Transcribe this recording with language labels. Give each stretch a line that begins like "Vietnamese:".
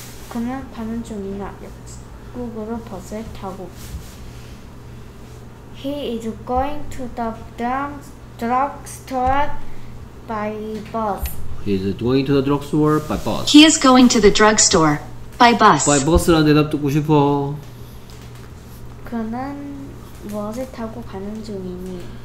Korean: 그는 가는 중이나 역으로 버스를 타고.
English: He is going to the drugstore by bus. He is going to the drugstore by bus. He is going to the drugstore by bus. By bus
Korean: 라는 대답 듣고 싶어. 그는 무엇을 타고 가는 중이니?